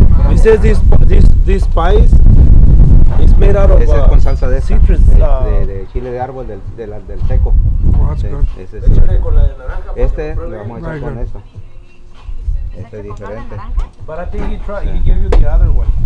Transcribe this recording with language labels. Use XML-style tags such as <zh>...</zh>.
<en>He says this spice is made out of</en> <es>ese es con salsa de</es> <en>citrus,</en> <es>de chile de árbol del seco. Ese es con la de naranja. Este lo vamos a echar con esta. Este es diferente.</es> <en>But I think he gave you the other one.</en>